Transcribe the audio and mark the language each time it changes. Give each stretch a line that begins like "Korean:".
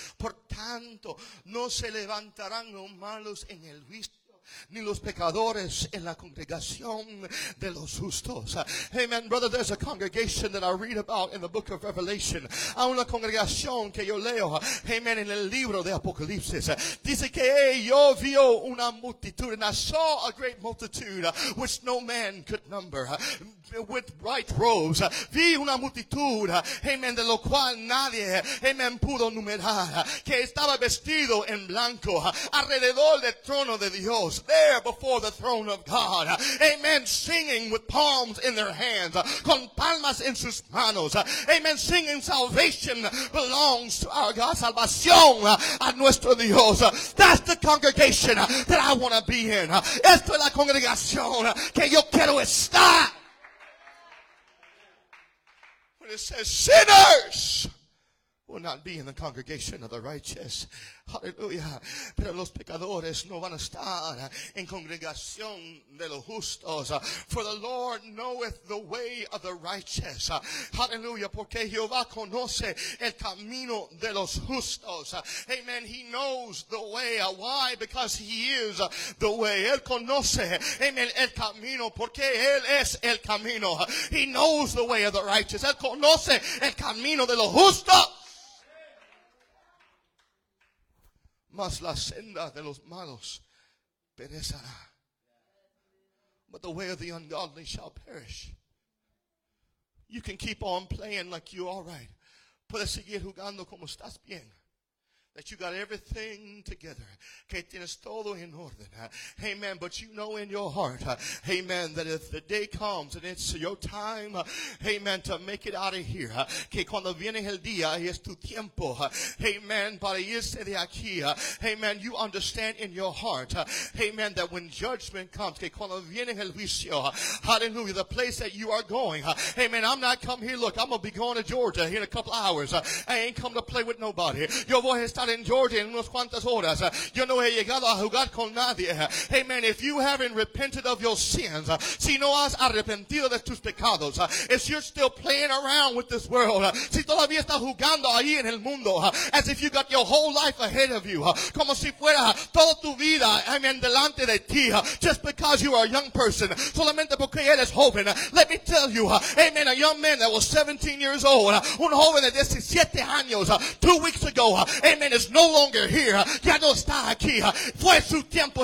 Spanish: Por tanto, no se levantarán los malos en el juicio, ni los pecadores en la congregación de los justos. Amen.
English: Brother, there's a congregation that I read about in the book of Revelation.
Spanish: A una congregación que yo leo, amen, en el libro de Apocalipsis. Dice que yo vio una multitud,
English: and I saw a great multitude which no man could number, with bright robes.
Spanish: Vi una multitud, amen, de lo cual nadie, amen, pudo numerar, que estaba vestido en blanco, alrededor del trono de Dios,
English: there before the throne of God, amen, singing with palms in their hands,
Spanish: con palmas en sus manos, amen,
English: singing salvation belongs to our God,
Spanish: salvación a nuestro Dios.
English: That's the congregation that I want to be in.
Spanish: Esto es la congregación que yo quiero estar.
English: It says sinners will not be in the congregation of the righteous. Hallelujah.
Spanish: Pero los pecadores no van a estar en congregación de los justos.
English: For the Lord knoweth the way of the righteous. Hallelujah.
Spanish: Porque Jehová conoce el camino de los justos.
English: Amen. He knows the way. Why? Because he is the way.
Spanish: Él conoce, amen, el camino. Porque él es el camino.
English: He knows the way of the righteous.
Spanish: Él conoce el camino de los justos. Mas la senda de los malos perecerá.
English: But the way of the ungodly shall perish. You can keep on playing like you're all right.
Spanish: Puedes seguir jugando como estás bien.
English: That you got everything together.
Spanish: Que tienes todo en orden. Amen.
English: But you know in your heart, amen, that if the day comes and it's your time, amen, to make it out of here.
Spanish: Que cuando viene el día y es tu tiempo, amen, para irse de aquí. Amen.
English: You understand in your heart, amen, that when judgment comes,
Spanish: que cuando viene el juicio,
English: hallelujah, the place that you are going, amen, I'm not come here. Look, I'm going to be going to Georgia here in a couple of hours. I ain't come to play with nobody.
Spanish: Yo voy a estar en Georgia en unas cuantas horas. Yo no he llegado a jugar con nadie.
English: Amen. If you haven't repented of your sins,
Spanish: si no has arrepentido de tus pecados,
English: if you're still playing around with this world,
Spanish: si todavía estás jugando ahí en el mundo,
English: as if you got your whole life ahead of you,
Spanish: como si fuera toda tu vida, amen, delante de ti,
English: just because you are a young person,
Spanish: solamente porque eres joven,
English: let me tell you, amen, a young man that was 17 years old,
Spanish: un joven de 17 años,
English: 2 weeks ago, amen, is no longer here.
Spanish: Ya no está aquí. Fue su tiempo.